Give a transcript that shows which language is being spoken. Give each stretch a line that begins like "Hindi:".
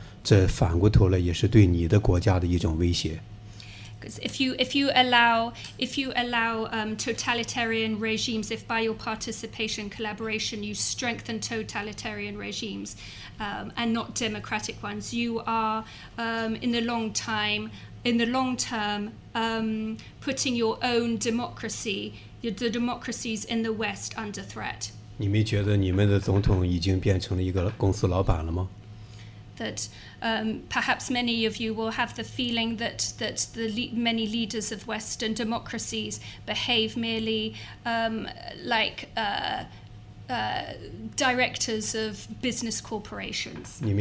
Chinese: 因为你让一个集权国家强大，而不是让一个民主强大的话，这反过头来也是对你的国家的一种威胁。
English: If you allow totalitarian regimes, if by your participation collaboration you strengthen totalitarian regimes and not democratic ones, you are in the long term putting your own democracy, the democracies in the West under threat.
Chinese: 你没觉得你们的总统已经变成了一个公司老板了吗？
English: That perhaps many of you will have the feeling that the many leaders of Western democracies behave merely like directors of business corporations.